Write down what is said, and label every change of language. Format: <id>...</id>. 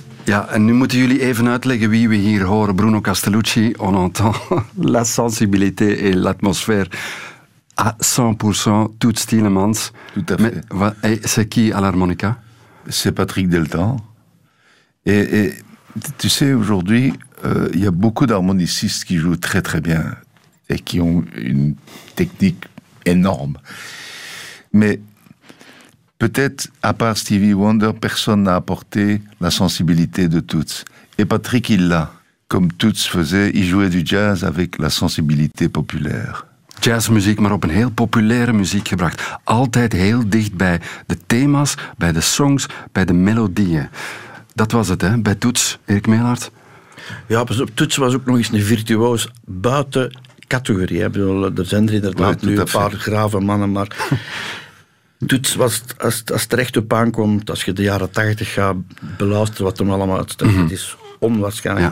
<nl>Ja, en nu moeten jullie even uitleggen wie we hier horen.</nl> <fr>Bruno Castellucci, on entend la sensibilité et l'atmosphère à 100%, Toots Thielemans. Tout à fait. Mais c'est qui à l'harmonica? C'est Patrick Deltan. Et tu sais, aujourd'hui, il y a beaucoup d'harmonicistes qui jouent très très bien et qui ont une technique énorme. Mais... peut-être, à part Stevie Wonder, personne n'a apporté la sensibilité de Toots. Et Patrick, il l'a. Comme Toots faisait, il jouait du jazz avec la sensibilité populaire.</fr> <nl>Jazzmuziek, maar op een heel populaire muziek gebracht. Altijd heel dicht bij de thema's, bij de songs, bij de melodieën. Dat was het, hè, bij Toots, Erik Meelaert. Ja, pas op, Toots was ook nog eens een virtuoos buiten categorie. Hè. Bedoel, er zijn er inderdaad nu een paar grave mannen, maar... Toets was, als het recht op aankomt, als je de jaren 80 gaat beluisteren, wat hem allemaal uitstekend is, onwaarschijnlijk. Ja.</nl>